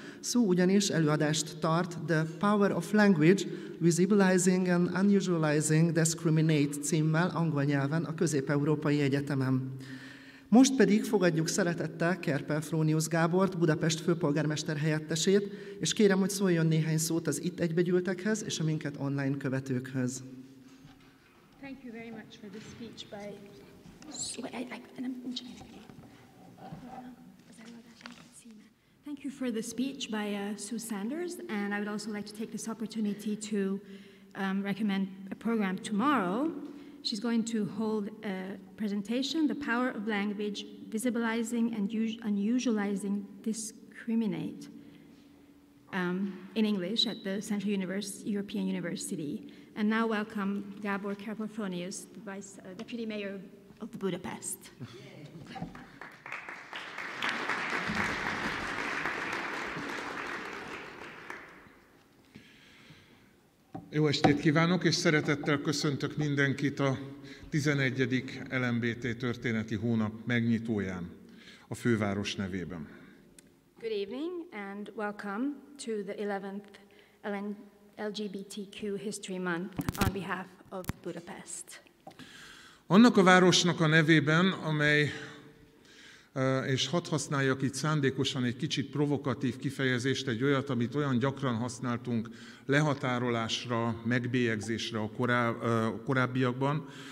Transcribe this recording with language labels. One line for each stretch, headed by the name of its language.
Hungarian: Sue ugyanis előadást tart The Power of Language, Visibilizing and Unusualizing Discriminate címmel angol nyelven a Közép-Európai Egyetemen. Most pedig fogadjuk szeretettel KERPEL-FRONIUS Gábort, Budapest főpolgármester helyettesét, és kérem, hogy szóljon néhány szót az itt egybegyűltekhez és a minket online követőkhöz.
English: Thank you very much for the speech by... Thank you for the speech by Sue Sanders, and I would also like to take this opportunity to recommend a program tomorrow. She's going to hold a presentation, The Power of Language, Visibilizing and Unusualizing Discriminate, in English at the Central European University. And now welcome Gábor KERPEL-FRONIUS, the Vice Deputy Mayor of Budapest.
Hungarian: Jó estét kívánok, és szeretettel köszöntök mindenkit a 11. LMBT Történeti Hónap megnyitóján a főváros nevében.
English: Good evening and welcome to the 11th LGBTQ History Month on behalf of Budapest.
Hungarian: Annak a városnak a nevében, amely, és hadd használjak itt szándékosan egy kicsit provokatív kifejezést, egy olyat, amit olyan gyakran használtunk lehatárolásra, megbélyegzésre a korábbiakban.